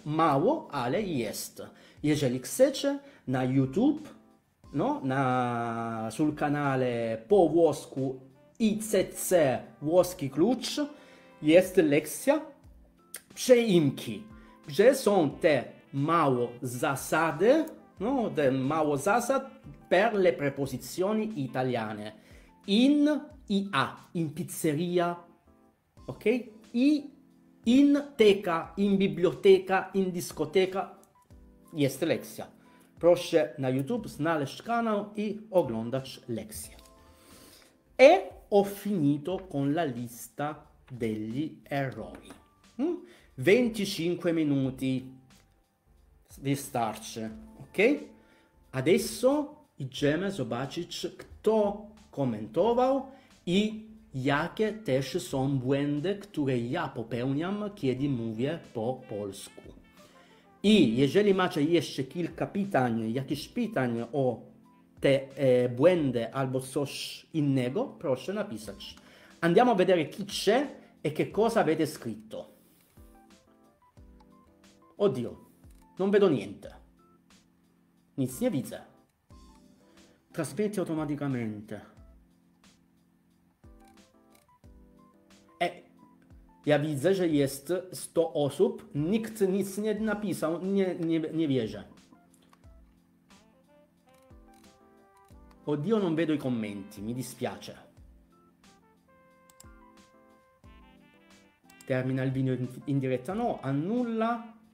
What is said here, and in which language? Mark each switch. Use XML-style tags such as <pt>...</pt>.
<pl>Mało, ale jest. Jeżeli chcecie, na YouTube, no,</pl> <it>sul canale</it> <pl>po włosku ICC Włoski Klucz jest lekcja przeimki, gdzie są te mało zasady, no, te mało zasad</pl> <it>per le prepozycjoni italiane. In i a, in pizzeria, ok? I in teca, in biblioteca, in discoteca,</it> <pl>jest lekcja. Proszę na YouTube znaleźć kanał i oglądać lekcję.</pl> <it>E ho finito con la lista degli errori. 25 minuti di starce, ok?</it> <pl>Adesso idziemy zobaczyć, kto komentował i jakie też są błędy, które ja popełniam, kiedy mówię po polsku. I jeżeli macie jeszcze kilka pytań, jakieś pytań o te błędy albo coś innego, proszę napisać.</pl> <it>Andiamo a vedere chi c'è e che cosa avete scritto. Oddio, non vedo niente.</it> <pl>Nic nie widzę.</pl> <it>Trasmetti automaticamente.</it> <pl>Ja widzę, że jest 100 osób, nikt nic nie napisał, nie wierzę.</pl> <it>Oddio, non vedo i commenti, mi dispiace. Termina il video in diretta? No, annulla.</it>